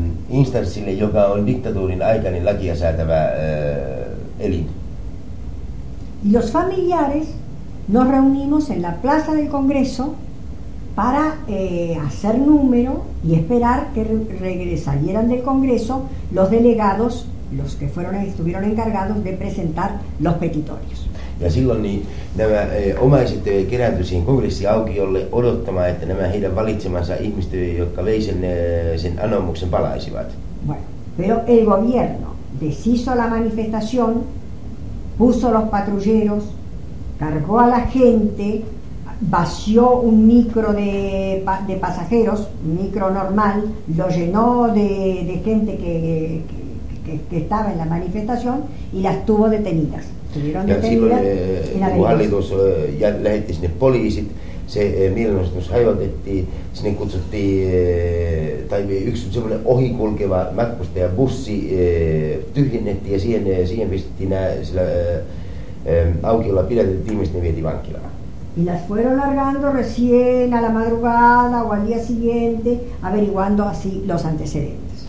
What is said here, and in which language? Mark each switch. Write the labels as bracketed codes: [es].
[fi] instanssille, joka on diktatuurin aikainen lakia säätävä elin. [es] Los familiares nos reunimos en la plaza del Congreso para hacer número y esperar que regresaran del Congreso los delegados, los que fueron estuvieron encargados de presentar los petitorios. [fi] Ja silloin niin nämä omaiset kerääntyi siihen kongressiaukiolle odottamaan, että nämä heidän valitsemansa ihmiset, jotka vei sen anomuksen, palaisivat. [es] Bueno, pero el gobierno deshizo la manifestación, puso los patrulleros, cargó a la gente, vació un micro de pasajeros, micro normal, lo llenó de gente que estaba en la manifestación y las tuvo detenidas. [fi] Ja silloin hallitus lähetti sinne poliisit, se mielenosoitus hajotettiin, sinne kutsuttiin, tai yksi semmoinen ohikulkeva matkustajabussi tyhjennettiin ja siihen pistettiin sillä aukiolla pidätetty ihmiset, ne vietiin vankilaan. [es] Y las fueron largando recién a la madrugada o al día siguiente, averiguando así los antecedentes.